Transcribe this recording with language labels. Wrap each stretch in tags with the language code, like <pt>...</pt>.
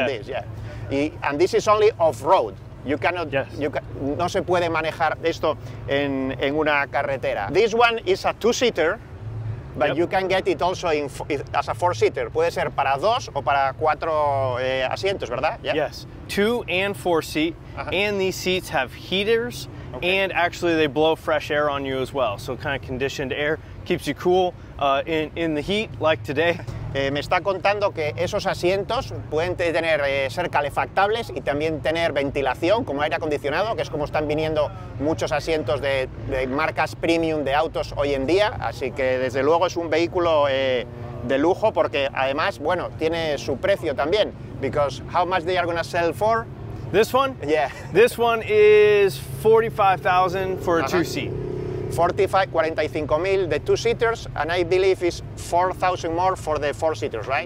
<en>on this, yeah. And this is only off-road. You cannot. Yes.</en> <es>No se puede manejar esto en una carretera.</es> <en>This one is a two-seater, but yep. You can get it also as a four-seater.</en> <es>Puede ser para dos o para cuatro asientos, ¿verdad?</es> <en>Yeah. Yes, two and four seat, uh-huh. And these seats have heaters, okay. And actually they blow fresh air on you as well. So kind of conditioned air keeps you cool in the heat, like today.</en> <es>Me está contando que esos asientos pueden tener, ser calefactables y también tener ventilación, como aire acondicionado, que es como están viniendo muchos asientos de marcas premium de autos hoy en día. Así que desde luego es un vehículo de lujo, porque además, bueno, tiene su precio también.</es> <en>Because how much they are going to sell for? This one? Yeah. This one is 45,000 for a two-seat. 45,000 the two-seaters, and I believe it's 4,000 more for the four-seaters, right?</en>